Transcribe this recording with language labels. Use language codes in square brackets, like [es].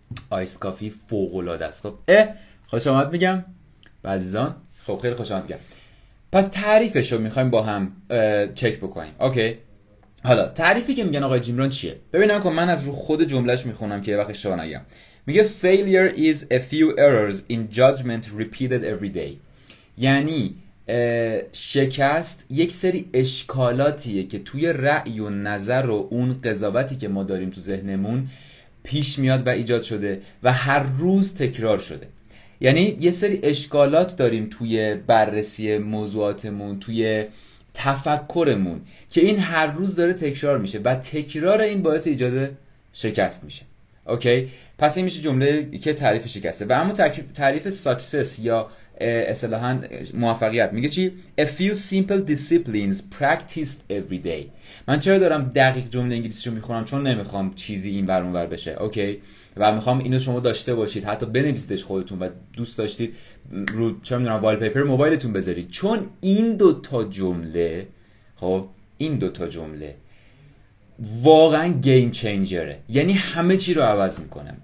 [fa] آیس کافی فوق العاده است. خب خوش آمد میگم عزیزان. خب خیلی خوش آمد میگم. پس تعریفش رو میخوایم با هم چک بکنیم. اوکی حالا تعریفی که میگن آقای جیمران چیه؟ ببینم که من از رو خود جملهش میخونم که یه وقت شما نگم. میگه [en] failure is a few errors in judgment repeated every day. [fa] یعنی شکست یک سری اشکالاتیه که توی رأی و نظر و اون قضاوتی که ما داریم تو ذهنمون پیش میاد و ایجاد شده و هر روز تکرار شده. یعنی یه سری اشکالات داریم توی بررسی موضوعاتمون، توی تفکرمون، که این هر روز داره تکرار میشه و تکرار این باعث ایجاد شکست میشه. اوکی؟ پس این میشه جمله که تعریف شکسته. و اما تعریف ساکسس یا اصطلاحا موفقیت. میگه چی؟ [en] A few simple disciplines practiced every day. [fa] من چرا دارم دقیق جمله انگلیسیشو میخونم؟ چون نمیخوام چیزی این ور اونور بشه، اوکی؟ و میخوام اینو شما داشته باشید، حتی بنویسیدش خودتون و دوست داشتید رو چه میدونم والپیپر موبایلتون بذارید. چون این دو تا جمله، خب این دو تا جمله واقعا گیم چنجره، یعنی همه چی رو عوض میکنه.